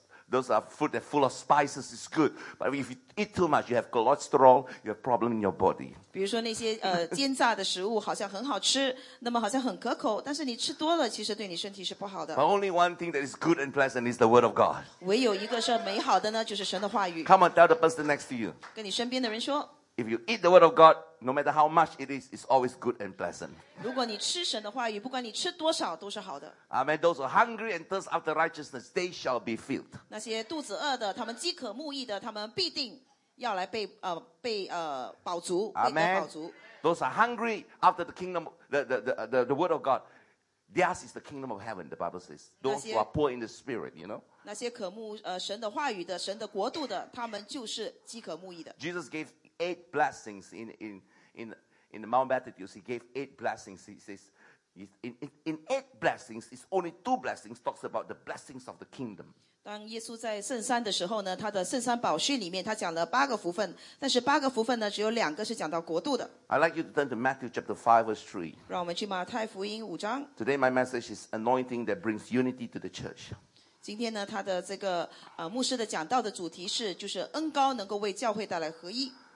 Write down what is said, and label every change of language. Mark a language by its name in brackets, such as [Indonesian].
[English] Those are food that full of spices is good. But if you eat too much, you have cholesterol, you have problem in your body. [Chinese] 比如说那些煎炸的食物好像很好吃，那么好像很可口，但是你吃多了，其实对你身体是不好的。 [English] But only one thing that is good and pleasant is the word of God. [Chinese] 唯有一个是美好的呢，就是神的话语。 [English] Come on, tell the person next to you. [Chinese] 跟你身边的人说。 [English] If you eat the word of God, no matter how much it is, it's always good and pleasant. [Chinese] 如果你吃神的话语，不管你吃多少，都是好的。 [English] Amen. Those who are hungry and thirst after righteousness, they shall be filled. [Chinese] 那些肚子饿的，他们饥渴慕义的，他们必定要来被饱足， [English] Amen. [Chinese] 被饱足。 [English] Those are hungry after the kingdom, the word of God. Theirs is the kingdom of heaven. The Bible says, those who are poor in the spirit, you know. [Chinese] 那些渴慕神的话语的神的国度的他们就是饥渴慕义的 [English] Jesus gave 8 blessings in the Mount Beatitudes he gave 8 blessings he says in 8 blessings it's only 2 blessings talks about the blessings of the kingdom [Chinese] 当耶稣在圣山的时候呢，他的圣山宝训里面他讲了八个福分，但是八个福分呢只有两个是讲到国度的。 [English] I'd like you to turn to Matthew chapter 5 verse 3. [Chinese] 让我们去马太福音五章。 [English] Today my message is anointing that brings unity to the church. [Chinese] 今天呢他的这个牧师的讲道的主题是就是恩膏能够为教会带来合一。